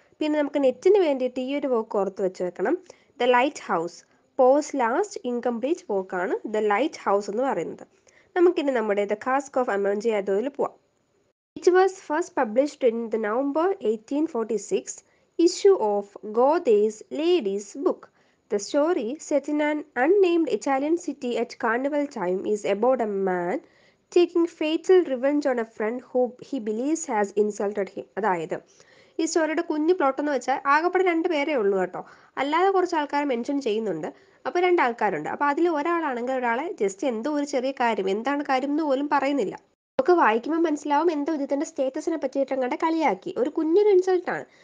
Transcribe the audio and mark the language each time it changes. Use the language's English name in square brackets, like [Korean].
[Malayalam] പിന്നെ നമുക്ക് നെറ്റിന് വേണ്ടിയിട്ട് ഈ ഒരു വോക്ക് ഓർത്ത് വെച്ച് വെക്കണം, the light house. [English] Poe's last incomplete [Malayalam] വോക്കാണ് the light house എന്ന് പറയുന്നത്. നമുക്കിനി നമ്മുടെ ദ കാസ്ക് ഓഫ് അമോൻറ്റിയാദോയിൽ പോവാം. [English] It was first published in the November 1846 issue of Goethe's Ladies' Book. The story, set in an unnamed Italian city at carnival time, is about a man taking fatal revenge on a friend who he believes has insulted him. [Malayalam] അതായത് ഈ സ്റ്റോറിയുടെ കുഞ്ഞു plot എന്ന് വെച്ചാൽ ആകെപ്പെടെ രണ്ട് പേരേ ഉള്ളൂ കേട്ടോ, അല്ലാതെ കുറച്ച് ആൾക്കാരെ മെൻഷൻ ചെയ്യുന്നുണ്ട്. അപ്പോൾ രണ്ടാൾക്കാരുണ്ട്. അപ്പോൾ അതിൽ ഒരാളാണെങ്കിൽ ഒരാളെ ജസ്റ്റ് എന്തോ ഒരു ചെറിയ കാര്യം, എന്താണ് കാര്യം എന്ന് പോലും പറയുന്നില്ല. നമുക്ക് വായിക്കുമ്പോൾ മനസ്സിലാവും എന്തോ ഇദ്ദേഹത്തിൻ്റെ സ്റ്റേറ്റസിനെ പറ്റിയിട്ടങ്ങട്ടെ കളിയാക്കി, ഒരു കുഞ്ഞൊരു ഇൻസൾട്ടാണ്.